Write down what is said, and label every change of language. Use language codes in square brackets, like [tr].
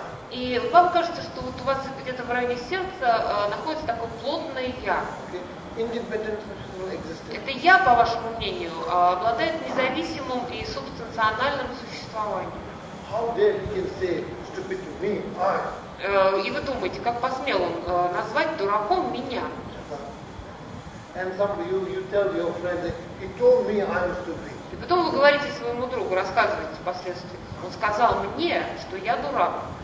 [ru] И вам кажется, что вот у вас где-то в районе сердца находится такое плотное «я». Это «я», по вашему мнению, обладает независимым и субстанциональным существованием. [en] How dare he say, stupid to me, I? [ru] И вы думаете, как посмел он назвать дураком меня? И потом вы говорите своему другу, рассказываете впоследствии. Он сказал мне, что я дурак.